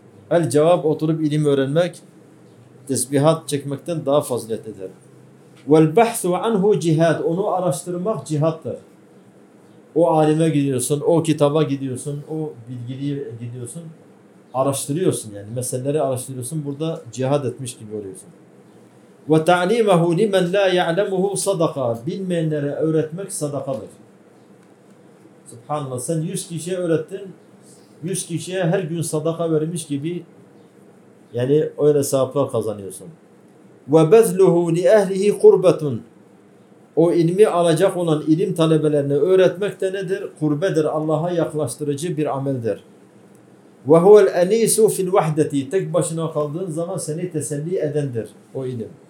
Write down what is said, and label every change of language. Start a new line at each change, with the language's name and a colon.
Turkish: El cevap oturup ilim öğrenmek. Tesbihat çekmekten daha faziletlidir.
Arabic: وَالْبَحْثُ عَنْهُ جِهَادٍ
Turkish: Onu araştırmak cihattır. O alime gidiyorsun, o kitaba gidiyorsun, o bilgiliye gidiyorsun. Araştırıyorsun yani. Meseleleri araştırıyorsun. Burada cihad etmiş gibi oluyorsun.
Arabic: وَتَعْلِيمَهُ لِمَنْ لَا يَعْلَمُهُ صَدَقَ
Turkish: Bilmeyenlere öğretmek sadakadır. Subhanallah. Sen 100 kişiye öğrettin. 100 kişiye her gün sadaka vermiş gibi yani öyle sevaplar kazanıyorsun.
Arabic: وَبَذْلُهُ لِأَهْلِهِ قُرْبَةٌ
Turkish: O ilmi alacak olan ilim talebelerine öğretmek de nedir? Kurbedir. Allah'a yaklaştırıcı bir ameldir.
Arabic: وَهُوَ الْاَن۪يسُ فِي الْوَحْدَةِ
Turkish: Tek başına kaldığın zaman seni teselli edendir o ilim.